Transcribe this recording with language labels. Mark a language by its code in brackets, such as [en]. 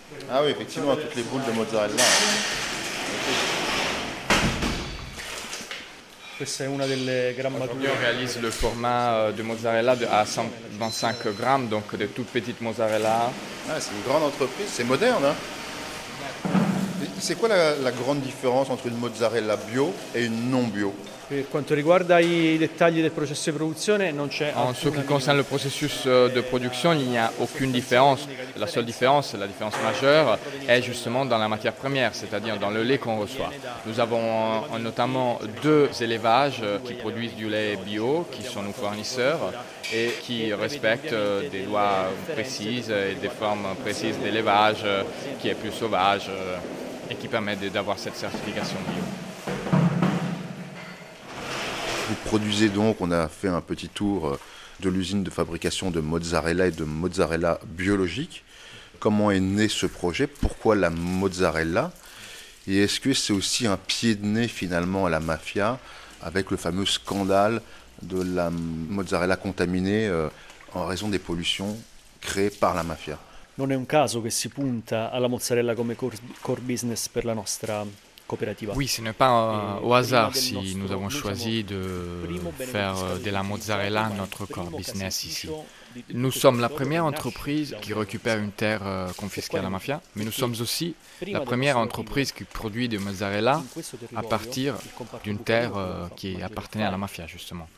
[fr] Ah oui, effectivement, toutes les boules de mozzarella. On réalise le format de mozzarella à 125 grammes, donc de toutes petites mozzarella. Ah, c'est une grande entreprise, c'est moderne. Hein. C'est quoi la grande différence entre une mozzarella bio et une non bio? [it] Per quanto riguarda i dettagli del processo di produzione, non c'è. [fr] En ce qui concerne le processus de production, il n'y a aucune différence. La seule différence, la différence majeure, est justement dans la matière première, c'est-à-dire dans le lait qu'on reçoit. Nous avons notamment deux élevages qui produisent du lait bio, qui sont nos fournisseurs et qui respectent des lois précises et des formes précises d'élevage qui est plus sauvage et qui permet d'avoir cette certification bio. Vous produisez donc, on a fait un petit tour de l'usine de fabrication de mozzarella et de mozzarella biologique. Comment est né ce projet? Pourquoi la mozzarella? Et est-ce que c'est aussi un pied de nez finalement à la mafia avec le fameux scandale de la mozzarella contaminée en raison des pollutions créées par la mafia? [it] Non è un caso che si punta alla mozzarella come core business per la nostra. [fr] Oui, ce n'est pas au hasard si nous avons choisi de faire de la mozzarella notre core business ici. Nous sommes la première entreprise qui récupère une terre confisquée à la mafia, mais nous sommes aussi la première entreprise qui produit de mozzarella à partir d'une terre qui appartenait à la mafia, justement.